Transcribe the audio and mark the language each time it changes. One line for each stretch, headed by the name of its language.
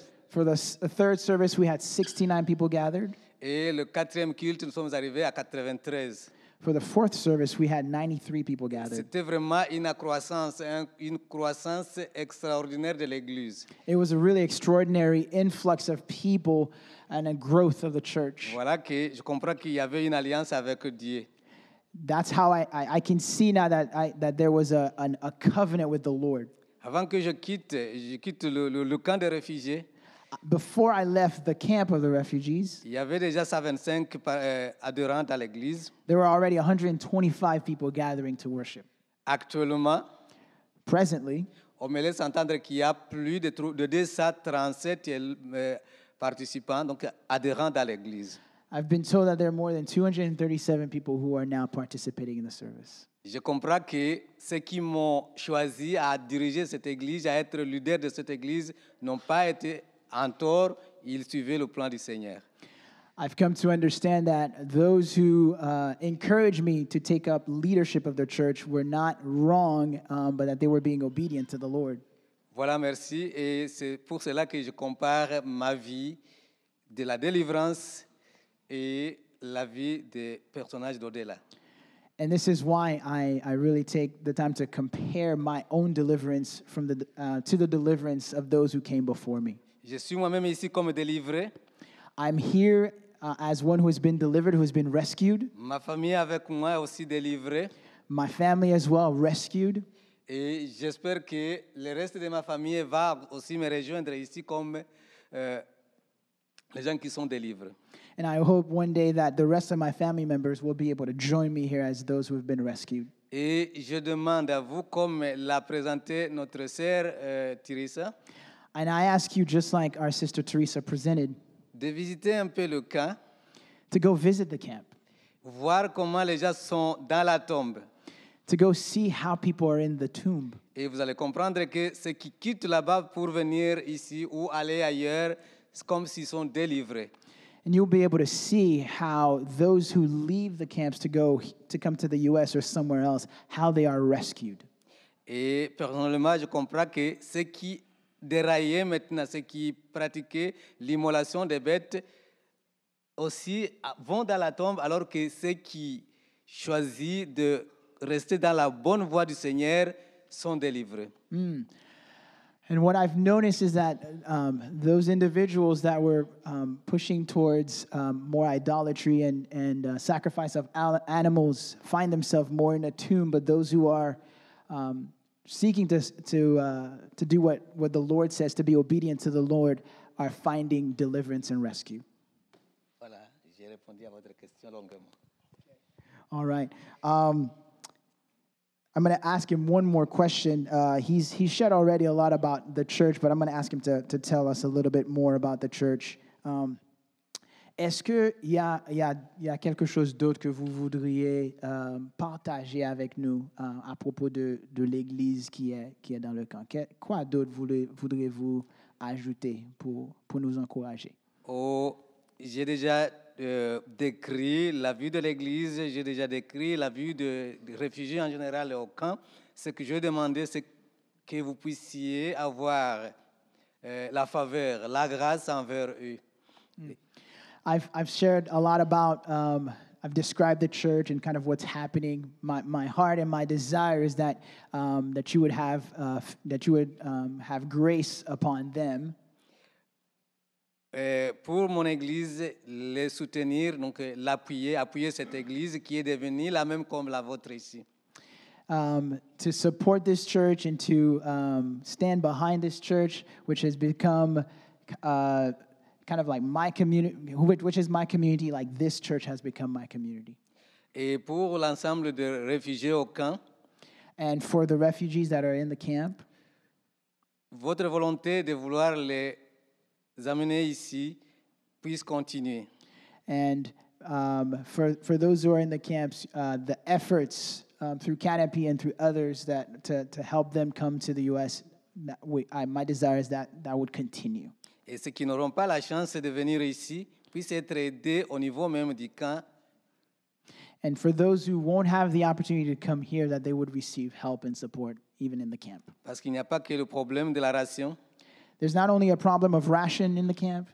English: For the third service, we had 69 people gathered.
French: Et le quatrième culte, nous sommes arrivés à 93.
English: For the fourth service, we had 93 people gathered.
French: C'était vraiment une croissance extraordinaire de l'église.
English: It was a really extraordinary influx of people and a growth of the church.
French: Voilà que je comprends qu'il y avait une alliance avec Dieu.
English: That's how I can see now that that there was a covenant with the Lord.
French: Avant que je quitte le camp des réfugiés.
English: Before I left the camp of the refugees,
French: il y avait déjà 125 adhérents à l'église.
English: There were already 125 people gathering to worship.
French: Actuellement,
English: presently,
French: on me laisse entendre qu'il y a plus de 237 participants, donc adhérents à l'église.
English: I've been told that there are more than 237 people who are now participating in the service.
French: Je comprends que ceux qui m'ont choisi à diriger cette église, à être leader de cette église, n'ont pas été en tort, ils suivaient le plan du Seigneur.
English: I've come to understand that those who encouraged me to take up leadership of their church were not wrong, but that they were being obedient to the Lord.
French: Voilà, merci. Et c'est pour cela que je compare ma vie de la délivrance et la vie des personnages d'au-delà.
English: And this is why I really take the time to compare my own deliverance from to the deliverance of those who came before me.
French: Je suis moi-même ici comme délivré.
English: I'm here as one who has been delivered, who has been rescued.
French: Ma famille avec moi aussi délivrée.
English: My family as well, rescued.
French: Et j'espère que le reste de ma famille va aussi me rejoindre ici comme les gens qui sont délivrés.
English: And I hope one day that the rest of my family members will be able to join me here as those who have been rescued.
French: Et je demande à vous, comme l'a présenté notre sœur Teresa.
English: And I ask you, just like our sister Teresa presented,
French: de visiter un peu le camp,
English: to go visit the camp,
French: voir comment les gens sont dans la tombe,
English: to go see how people are in the tomb.
French: Et vous allez comprendre que ceux qui quittent là-bas pour venir ici ou aller ailleurs, c'est comme s'ils sont délivrés.
English: And you'll be able to see how those who leave the camps to go to come to the U.S. or somewhere else, how they are rescued.
French: Et personnellement, je comprends que ceux qui dérailler maintenant ceux qui pratiquaient l'immolation des bêtes aussi vont dans la tombe, alors que ceux qui choisissent de rester dans la bonne voie du Seigneur sont délivrés. Mm.
English: And what I've noticed is that those individuals that were pushing towards more idolatry and sacrifice of animals find themselves more in a tomb, but those who are seeking to do what the Lord says, to be obedient to the Lord, are finding deliverance and rescue.
French: Voilà, j'ai répondu à votre question longuement.
English: All right. I'm going to ask him one more question. He shared already a lot about the church, but I'm going to ask him to tell us a little bit more about the church.
French: Est-ce que y a quelque chose d'autre que vous voudriez partager avec nous à propos de l'église qui est dans le camp? Quoi d'autre voudriez-vous ajouter pour nous encourager? Oh, j'ai déjà décrit la vue de l'église, j'ai déjà décrit la vue de réfugiés en général au camp. Ce que je demandais, c'est que vous puissiez avoir la faveur, la grâce envers eux.
English: I've shared a lot about, I've described the church and kind of what's happening. My heart and my desire is that that you would have grace upon them.
French: Pour mon église, les soutenir, donc appuyer cette église qui est devenue la même comme la vôtre ici.
English: To support this church and to stand behind this church, which has become kind of like my community, which is my community, like this church has become my community.
French: Et pour l'ensemble des réfugiés au camp,
English: and for the refugees that are in the camp,
French: votre volonté de vouloir les amener ici puisse continuer.
English: And for those who are in the camps, the efforts through Canopy and through others that to help them come to the U.S., my desire is that would continue.
French: Et ceux qui n'auront pas la chance de venir ici puissent être aidés au niveau même du camp.
English: And for those who won't have the opportunity to come here, that they would receive help and support even in the camp.
French: Parce qu'il n'y a pas que le problème de la ration.
English: There's not only a problem of ration in the camp.